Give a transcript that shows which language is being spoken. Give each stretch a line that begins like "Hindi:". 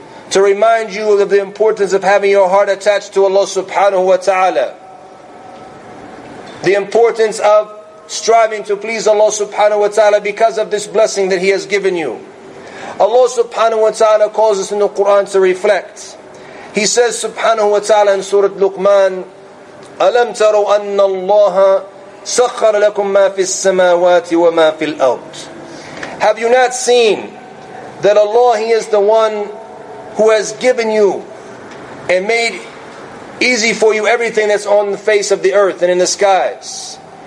English: To remind you of the importance of having your heart attached to Allah subhanahu wa ta'ala. The importance of striving to please Allah subhanahu wa ta'ala because of this blessing that He has given you. Allah subhanahu wa ta'ala calls us in the Qur'an to reflect. He says subhanahu wa ta'ala in Surah Luqman,
Arabic: أَلَمْ تَرُوا أَنَّ اللَّهَ سَخَّرَ لَكُمْ مَا فِي السَّمَاوَاتِ وَمَا فِي الْأَرْضِ.
English: Have you not seen that Allah, He is the one who has given you and made easy for you everything that's on the face of the earth and in the skies.